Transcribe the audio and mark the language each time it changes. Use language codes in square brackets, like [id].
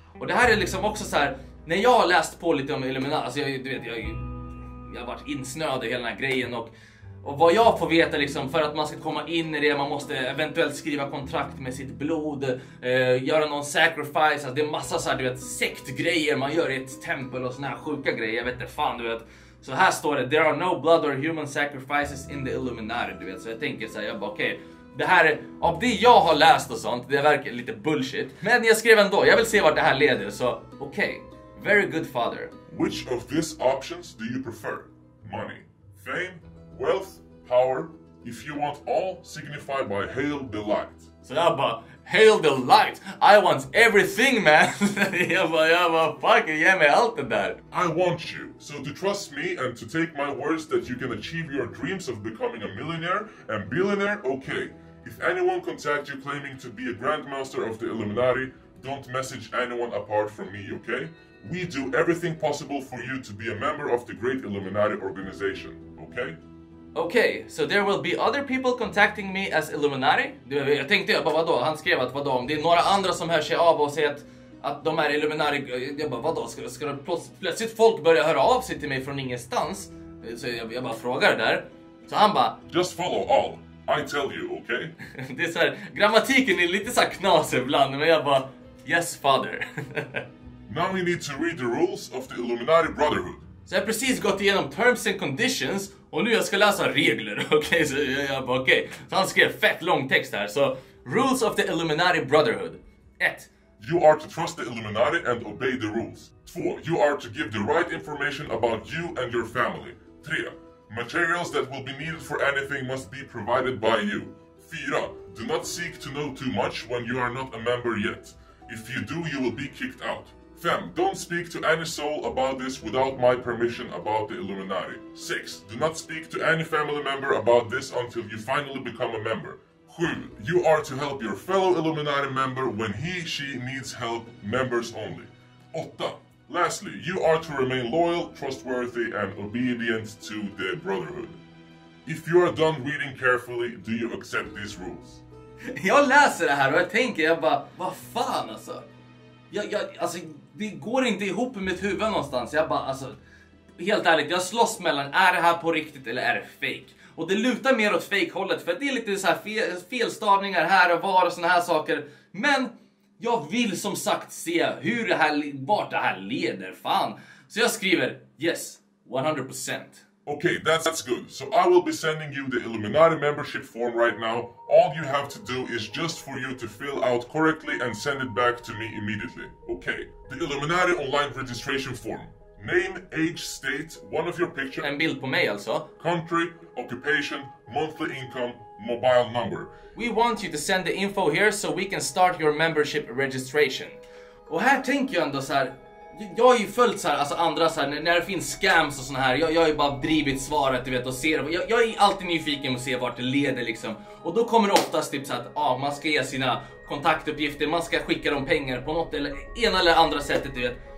[sv] Och det här är liksom också så här, när jag har läst på lite om Illuminati, alltså jag har varit insnöad i hela den här grejen, och vad jag får veta liksom, för att man ska komma in i det, man måste eventuellt skriva kontrakt med sitt blod, göra någon sacrifice, alltså det är massa så här, du vet, sektgrejer man gör i ett tempel och såna här sjuka grejer, jag vet inte fan, du vet. Så här står det, [en] there are no blood or human sacrifices in the Illuminati, [sv] du vet. Så jag tänker så här, jag bara okej, det här av det jag har läst och sånt, det verkar lite bullshit. Men jag skrev ändå, jag vill se vart det här leder, så okej, [en] very good father. Which of these options do you prefer? Money, fame, wealth, power, if you want all, signify by hail the light. [sv] Så jag bara, [en] hail the light, I want everything, man. [sv] jag bara, fuck it, ge mig allt det där. [en] I want you, so to trust me and to take my words that you can achieve your dreams of becoming a millionaire and billionaire, okay. If anyone contacts you claiming to be a grandmaster of the Illuminati, don't message anyone apart from me, okay? We do everything possible for you to be a member of the great Illuminati organization, okay? Okay, so there will be other people contacting me as Illuminati? [sv] Jag tänkte, jag bara, vadå? Han skrev att vadå? Om det är några andra som hör sig av och säger att de är Illuminati, jag bara, vadå? Ska plötsligt folk börja höra av sig till mig från ingenstans? Så jag bara frågar där. Så han bara, [en] just follow all, I tell you, okay? [sv] Det är så här, grammatiken är lite så här knasig ibland, men jag bara, [en] yes father. Now we need to read the rules of the Illuminati Brotherhood. [sv] Så jag har precis gått igenom terms and conditions och nu jag ska läsa regler, okej? Okay, så jag bara, okej. Okay. Så han skrev fett lång text här, så rules of the Illuminati Brotherhood. 1. [en] You are to trust the Illuminati and obey the rules. 2. You are to give the right information about you and your family. 3. Materials that will be needed for anything must be provided by you. 4. Do not seek to know too much when you are not a member yet. If you do, you will be kicked out. 5. Don't speak to any soul about this without my permission about the Illuminati. 6. Do not speak to any family member about this until you finally become a member. 7. You are to help your fellow Illuminati member when he, she needs help, members only. 8. Lastly, you are to remain loyal, trustworthy and obedient to the Brotherhood. If you are done reading carefully, do you accept these rules? [sv] Jag läser det här och jag tänker, jag bara, vad fan alltså? Alltså, det går inte ihop i mitt huvud någonstans. Jag bara, alltså, helt ärligt, jag slåss mellan, är det här på riktigt eller är det fake? Och det lutar mer åt fake-hållet för det är lite så här felstavningar här och var och såna här saker. Men jag vill som sagt se hur det här, vart det här leder, fan. Så jag skriver, yes, 100%. [en] Okay, that's good. So I will be sending you the Illuminati membership form right now. All you have to do is just for you to fill out correctly and send it back to me immediately. Okay, the Illuminati online registration form. Name, age, state, one of your pictures. [sv] En bild på mig alltså. [en] Country, occupation, monthly income, mobile number. We want you to send the info here so we can start your membership registration. [sv] Och här tänker jag ändå så här. Jag har ju följt så här, alltså andra så här, när det finns scams och såna här, jag har ju bara drivit svaret, du vet, och ser, jag är alltid nyfiken och ser vart det leder liksom. Och då kommer det oftast typ så att man ska ge sina kontaktuppgifter, man ska skicka dem pengar på något eller ena eller andra sättet, du vet.